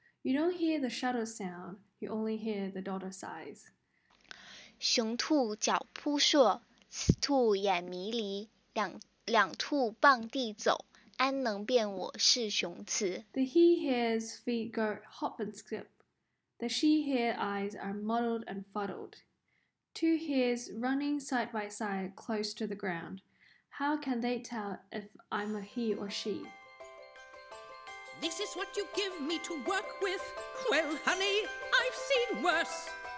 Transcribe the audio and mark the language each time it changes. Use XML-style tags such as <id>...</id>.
<en>You don't hear the shuttle sound, you only hear the daughter sighs.</en> <zh>雄兔脚扑朔，雌兔眼迷离。两兔傍地走，安能辨我是雄雌。</zh> <en>The he hears feet go hop and skip. The she hears eyes are muddled and fuddled. Two hares running side by side close to the ground. How can they tell if I'm a he or she? This is what you give me to work with. Well, honey, I've seen worse.</en>